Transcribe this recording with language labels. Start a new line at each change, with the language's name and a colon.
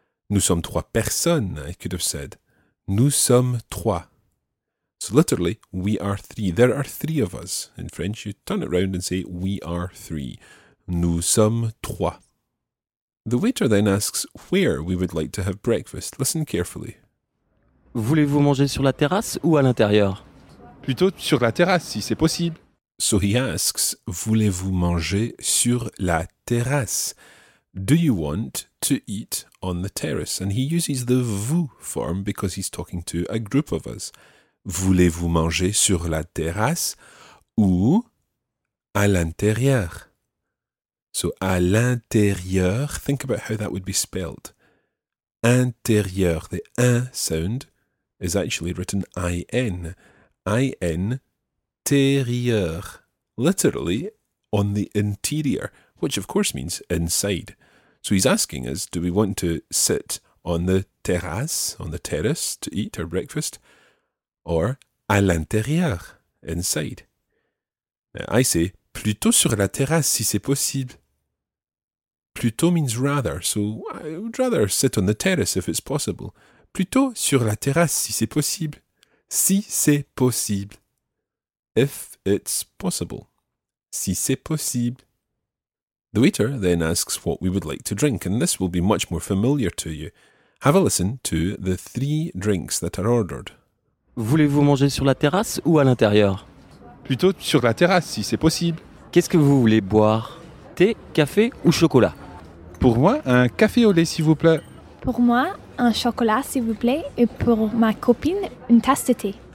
French: Nous sommes trois personnes,
English: I could have said.
French: Nous sommes trois.
English: So literally, we are three. There are three of us. In French, you turn it around and say, we are three. Nous sommes trois. The waiter then asks where we would like to have breakfast. Listen carefully.
French: Voulez-vous manger sur la terrasse ou à l'intérieur? Plutôt sur la terrasse, si c'est possible.
English: So he asks,
French: voulez-vous manger sur la terrasse?
English: Do you want to eat on the terrace? And he uses the vous form because he's talking to a group of us.
French: Voulez-vous manger sur la terrasse ou à l'intérieur?
English: So,
French: à l'intérieur,
English: think about how that would be spelled. Intérieur, the un sound is actually written I-N. I-N-térieur. Literally, on the interior, which of course means inside. So he's asking us, do we want to sit on the terrace to eat our breakfast, or
French: à l'intérieur,
English: inside? Now I say,
French: plutôt sur la terrasse, si c'est possible.
English: Plutôt means rather, so I would rather sit on the terrace if it's possible.
French: Plutôt sur la terrasse, si c'est possible. Si c'est possible.
English: If it's possible.
French: Si c'est possible.
English: The waiter then asks what we would like to drink, and this will be much more familiar to you. Have a listen to the three drinks that are ordered.
French: Voulez-vous manger sur la terrasse ou à l'intérieur? Plutôt sur la terrasse, si c'est possible. Qu'est-ce que vous voulez boire? Thé, café ou chocolat? Pour moi, un café au lait, s'il vous plaît. Pour moi, un chocolat, s'il vous plaît. Et pour ma copine, une tasse de thé.